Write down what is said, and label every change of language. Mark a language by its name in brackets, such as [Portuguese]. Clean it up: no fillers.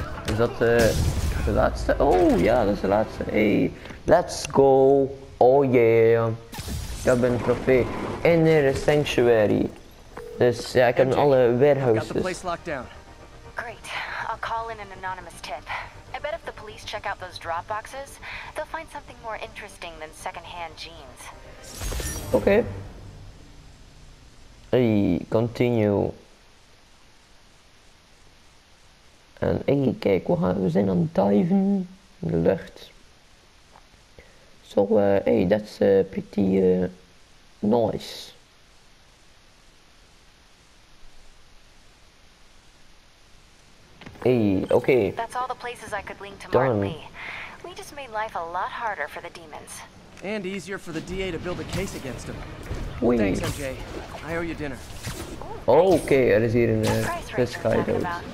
[Dutch] Is dat de laatste? Oh ja, dat is de laatste. [English] Hey, let's go. Oh yeah. [Dutch] Ik heb een trofee. Inner Sanctuary. Dus ja, ik heb MJ, alle warehouses. [English] Got the place locked down. Great. I'll call in an anonymous tip. I bet if the police check out those drop boxes, they'll find something more interesting than secondhand jeans. Oké. Okay. Hey, continue. [Dutch] En hey, kijk, we zijn aan het diven in de lucht. [English] Zo, hey, that's pretty nice. Hey, oké. Okay. That's all the places I could link to Martin Lee. We just made life a lot harder for the demons. And easier for the DA to build a case against him. Oui. Thanks, MJ. I owe you dinner. [Dutch] Oké, okay, er is hier een sky dude.